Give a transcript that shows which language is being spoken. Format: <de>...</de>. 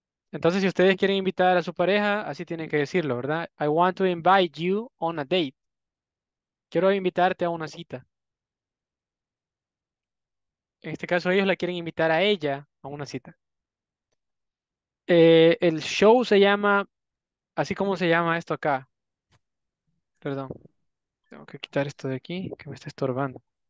<es>Entonces, si ustedes quieren invitar a su pareja, así tienen que decirlo, ¿verdad?</es> <en>I want to invite you on a date.</en> <es>Quiero invitarte a una cita. En este caso, ellos la quieren invitar a ella a una cita. El show se llama, así como se llama esto acá. Perdón. Tengo que quitar esto de aquí, que me está estorbando.</es>